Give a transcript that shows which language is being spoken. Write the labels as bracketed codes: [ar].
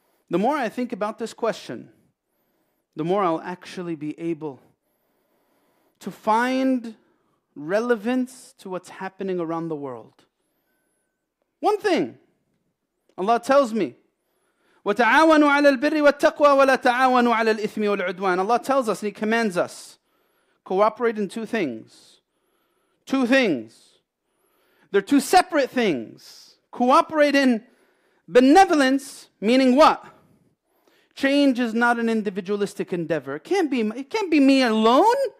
[en] The more I think about this question, the more I'll actually be able to find relevance to what's happening around the world. One thing, Allah tells me, [ar] وتعاونوا على البر والتقوى ولا تعاونوا على الإثم والعدوان. [en] Allah tells us and He commands us, cooperate in two things. Two things. They're two separate things. Cooperate in benevolence, meaning what? Change is not an individualistic endeavor. It can't be me alone.